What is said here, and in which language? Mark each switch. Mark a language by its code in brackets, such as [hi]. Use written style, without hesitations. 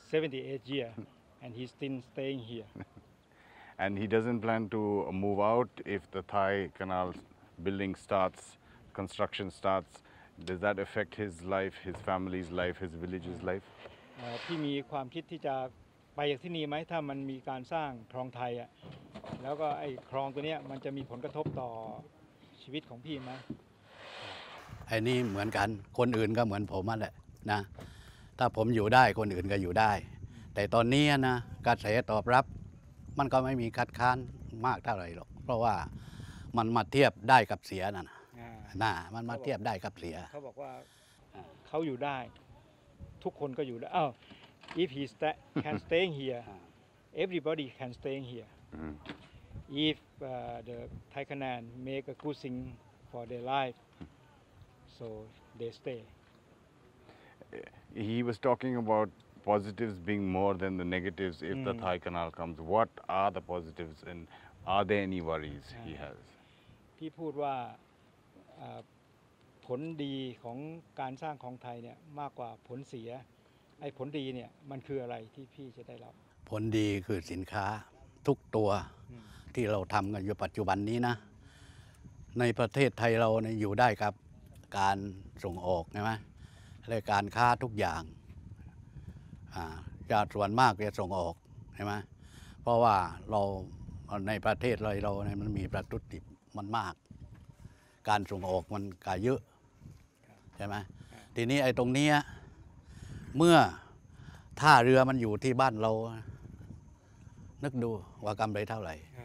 [en] 78 years, and he's still staying here. And he doesn't plan to move out if the Thai Canal building starts, construction starts. Does that affect his life, his family's life, his village's life? He [th] มีความคิดที่จะไปที่นี่ไหมถ้ามันมีการสร้างคลองไทยอ่ะแล้วก็ไอ้คลองตัวเนี้ยมันจะมีผลกระทบต่อชีวิตของพี่ไหม ไอ้นี่เหมือนกันคนอื่นก็เหมือนผมแหละนะถ้าผมอยู่ได้คนอื่นก็อยู่ได้แต่ตอนนี้นะกระแสตอบรับมันก็ไม่มีคัดค้านมากเท่าไหร่หรอกเพราะว่ามันมาเทียบได้กับเสียนั่นนะมันมาเทียบได้กับเสีย เขาบอกว่าเขาอยู่ได้ทุกคนก็อยู่ได้อ้าว [en] if he can stay here everybody can stay here if the Thai Canal make a good thing for their lifeSo they stay. He was talking about positives being more than the negatives if the Thai Canal comes. What are the positives and are there any worries he has? He said that the good thing of the building of Thai is more than the bad thing. What is the good thing that you will get? The good thing is the product. Every product that we are doing in the current situation. In the Thai country, we can live here. [th] การส่งออกใช่ไหมและการค้าทุกอย่างจะส่วนมากจะส่งออกใช่ไหมเพราะว่าเราในประเทศเราเนี่ยมันมีประตูติดมันมากการส่งออกมันก็เยอะใช่ไหมทีนี้ไอ้ตรงนี้เมื่อท่าเรือมันอยู่ที่บ้านเรานึกดูว่ากำไรเท่าไหร่